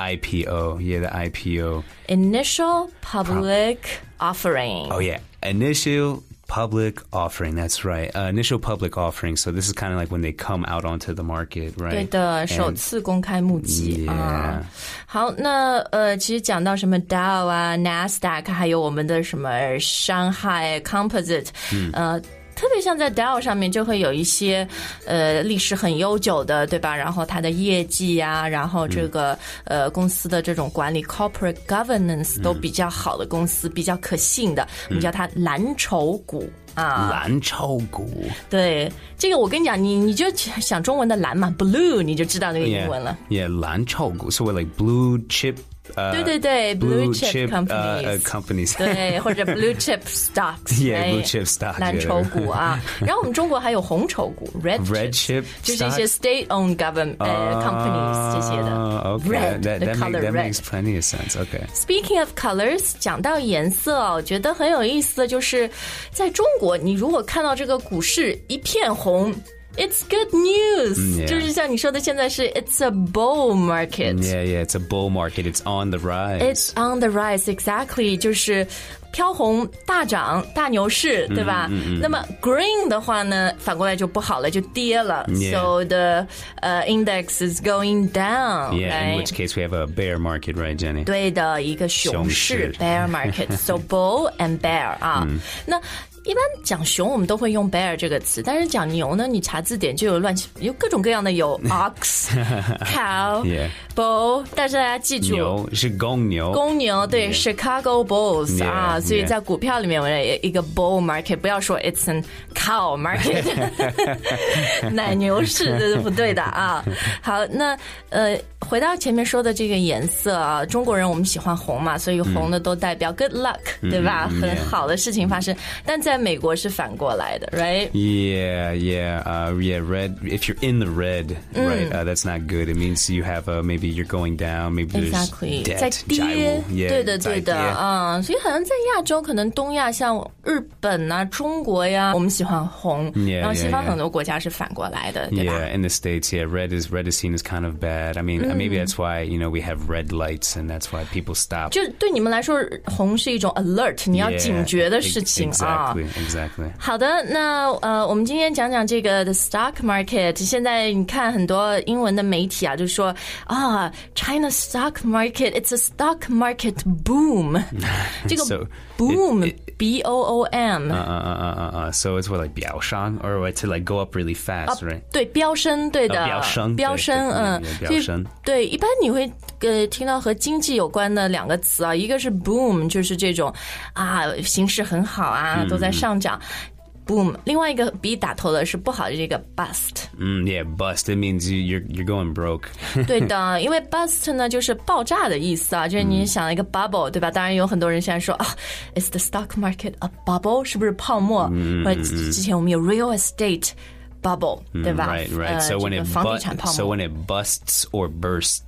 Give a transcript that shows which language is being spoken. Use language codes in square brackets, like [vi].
[en] the IPO Initial Public Offering Initial Public Offering, that's right. Initial public offering. So this is kind of like when they come out onto the market, right? [zh] 对的，首次公开募集。好，那其实讲到什么 Dow 啊 ，NASDAQ， 还有我们的什么上海 Composite， 特别像在 Dow 上面就会有一些历史很悠久的，对吧？然后它的业绩啊，然后这个公司的这种管理 corporate governance 都比较好的公司，比较可信的，我们叫它蓝筹股。蓝筹股，对这个我跟你讲，你就想中文的蓝嘛 ，blue， 你就知道那个英文了。 [en] Yeah, 蓝筹股 ，so we're like blue chip， [zh] 对对对 [en] ，blue chip companies，对，或者 blue chip stocks， yeah， blue chip stocks， [zh] 蓝筹股啊。然后我们中国还有红筹股 [en] ，red chip， [zh] 就是一些 [en] state owned government companies [zh] 这些的。 [en] Okay, that makes plenty of sense. Okay. [zh] Speaking of colors， 讲到颜色，我觉得很有意思的就是在中国，你如果看到这个股市一片红 ， [en] it's good news，、 [zh] 就是像你说的，现在是 [en] it's a bull market。 Yeah, yeah, it's a bull market. It's on the rise. It's on the rise. [zh] Exactly， 就是飘红大涨大牛市，对吧？ Mm-hmm. 那么 green 的话呢，反过来就不好了，就跌了。 [en] Yeah. So the index is going down. Yeah,、 right? in which case we have a bear market, right, Jenny? [zh] 对的，一个熊市 bear market. [en] So bull and bear [zh] 啊，那。一般讲熊我们都会用 bear 这个词，但是讲牛呢，你查字典就有乱七，有各种各样的，有 ox cow、 [en] yeah. [zh] bull， 但是大家记住牛是公牛，公牛对、 [en] yeah. Chicago Bulls、 yeah. [zh] 啊，所以在股票里面我们一个 bull market， 不要说 [en] it's an cow market [zh] 奶牛市，这是不对的啊。好，那回到前面说的这个颜色啊，中国人我们喜欢红嘛，所以红的都代表 good luck、嗯、对吧、嗯、很好的事情发生、 [en] yeah. [zh] 但在美国是反过来的 right [en] yeah yeah、yeah red if you're in the red、嗯、 right、that's not good it means you have a maybe you're going down maybe there's exactly debt, [zh] 在跌 [en] yeah, [zh] 对的对的、所以好像在亚洲可能东亚像日本啊中国呀我们喜欢红 [en] yeah, [zh] 然后西方很多国家是反过来的 [en] yeah, yeah. [zh] 对吧 [en] yeah in the states yeah red is seen as kind of bad I mean、嗯、 maybe that's why you know we have red lights and that's why people stop [zh] 就对你们来说红是一种 alert 你要警觉的事情 [en] yeah, exactly、啊 Exactly. [zh] 好的，那我们今天讲讲这个 the stock market。现在你看很多英文的媒体啊，就说啊、 [en] oh, ，China stock market， it's a stock market boom 。 [zh] 这个 boom， [en] B O O M。 So it's what like 飙升 or what to like go up really fast,、啊、 right？ [zh] 对，飙升，对的，飙、升，飙升，飙升。对，一般你会听到和经济有关的两个词啊，一个是 boom， 就是这种啊，形势很好啊，都在。上涨 boom 另外一个 B 打头的是不好的这个 bust、 [en] yeah bust it means you're going broke [zh] 对的因为 bust 呢就是爆炸的意思啊就是你想一个 bubble、mm. 对吧当然有很多人现在说、啊、 [en] is the stock market a bubble [zh] 是不是泡沫、 mm-hmm. 或者之前我们有 real estate bubble、mm-hmm. 对吧 [en] right right、so, [zh] 这个、房地产泡沫 [en] so when it busts or bursts